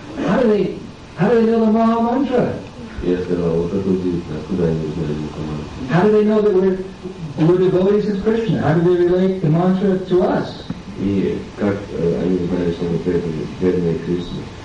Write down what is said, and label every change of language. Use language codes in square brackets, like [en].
[en] How do they know the Maha Mantra? [ru] Я сказал, вот это удивительно, откуда они узнали Maha Mantra? [en] How do they know that we're devotees of Krishna? How do they relate the mantra to us? [ru] И как они узнали, что мы преданные Кришне?